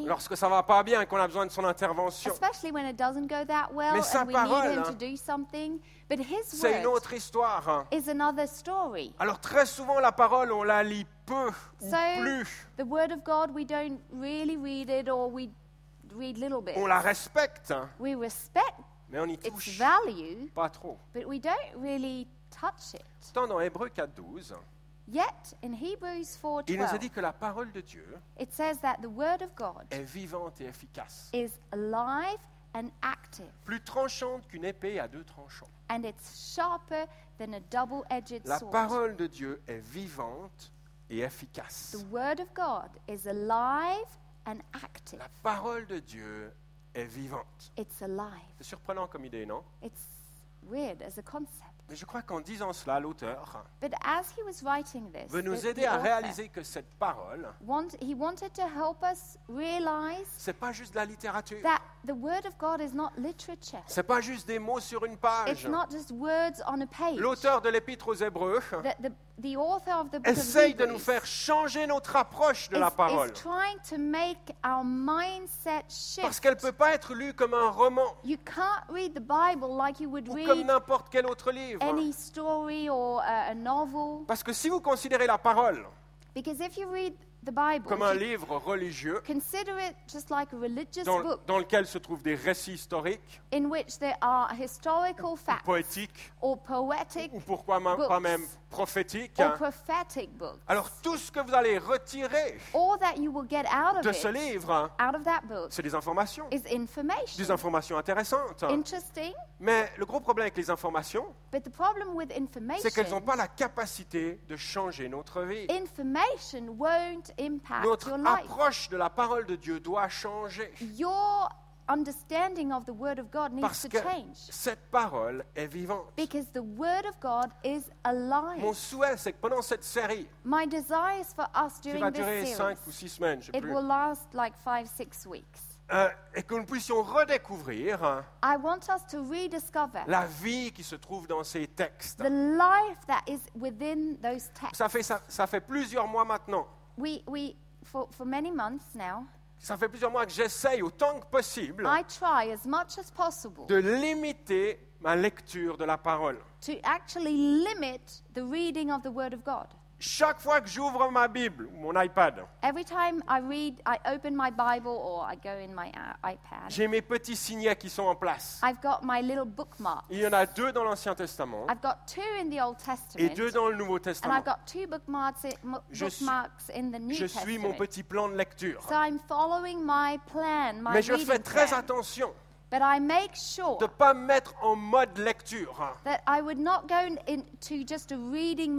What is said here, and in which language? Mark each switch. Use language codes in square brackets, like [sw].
[fr] Lorsque ça va pas bien et qu'on a besoin de son intervention. [en] Especially when it doesn't go that well [fr] mais [en] and we [fr] parole, [en] need him to do something. But his [fr] c'est [en] word [fr] une autre histoire. [en] Is another story. [fr] Alors très souvent, la parole, on la lit peu ou [en] so, [fr] plus. [en] The word of God, we don't really read it or we read little bit. [fr] On la respecte. [en] We respect [fr] mais on y touche [en] its value, [fr] pas trop. [en] But we don't really touch it. [fr] Tant dans Hébreux 4:12. [en] Yet in Hebrews 4:12. [fr] Il nous a dit que la parole de Dieu [en] it says that the word of God [fr] est vivante et efficace. [en] Is alive and active. [fr] Plus tranchante qu'une épée à deux tranchants. [en] And it's sharper than a double-edged sword. [fr] La parole de Dieu est vivante et efficace. [en] The word of God is alive and active. [fr] La parole de Dieu est vivante. [en] It's alive. [fr] C'est surprenant comme idée, non? [en] It's weird as a concept. [fr] Mais je crois qu'en disant cela, l'auteur [en] but as he was writing this, [fr] veut nous aider à réaliser que cette parole [en] he wanted to help us realize [fr] c'est pas juste de la littérature. [en] That the word of God is not literature. [fr] C'est pas juste des mots sur une page. [en] It's not just words on a page. [fr] L'auteur de l'Épître aux Hébreux [en] the author of the book [fr] essaye de nous faire changer notre approche de la parole. [en] Is trying to make our mindset shift. [fr] Parce qu'elle ne peut pas être lue comme un roman. [en] You can't read the Bible like you would [fr] ou [en] read [fr] comme n'importe quel autre livre. [en] Any story or a novel. [fr] Parce que si vous considérez la parole [en] because if you read the Bible, [fr] comme un livre religieux [en] consider it just like a religious [fr] dans, [en] book, [fr] dans lequel se trouvent des récits historiques [en] in which there are historical facts, [fr] ou poétiques [en] or poetic [fr] ou pourquoi même, [en] books, [fr] pas même prophétiques [en] or prophetic books. [fr] Alors tout ce que vous allez retirer [en] all that you will get out of [fr] de ce livre [en] out of that book [fr] c'est des informations [en] is information. [fr] Des informations intéressantes [en] interesting. [fr] Mais le gros problème avec les informations [en] but the problem with information, [fr] c'est qu'elles n'ont pas la capacité de changer notre vie. [en] Information won't impact [fr] Notre [en] your life. [fr] Approche de la parole de Dieu doit changer. [en] Your understanding of the word of God needs [fr] Parce [en] to [fr] que [en] change. [fr] Cette parole est vivante. [en] Because the word of God is alive. [fr] Mon souhait, c'est que pendant cette série, [en] My desire is for us during this series. [fr] Qui va durer 5 ou 6 semaines, je sais plus. [en] It will last like 5-6 weeks. [fr] Et que nous puissions redécouvrir [en] I want us to rediscover [fr] la vie qui se trouve dans ces textes. [en] The life that is within those texts. [fr] Ça fait plusieurs mois maintenant. [en] For many months now. [fr] Ça fait plusieurs mois que j'essaye autant que possible [en] I try as much as possible [fr] de limiter ma lecture de la parole. [en] To actually limit the reading of the word of God. [fr] Chaque fois que j'ouvre ma Bible ou mon iPad. [en] Every time I read, I open my Bible or I go in my iPad. [fr] J'ai mes petits signets qui sont en place. [en] I've got my little bookmarks. [fr] Il y en a deux dans l'Ancien Testament. [en] I've got two in the Old Testament. [fr] Et deux dans le Nouveau Testament. [en] And I've got two bookmarks in the New Testament. [fr] Je suis mon petit plan de lecture. [en] So I'm following my plan, my [fr] Mais je [en] reading [fr] fais très [en] plan. [fr] Attention. [en] But I make sure [fr] de pas mettre en mode lecture. [en] That I would not go into just a reading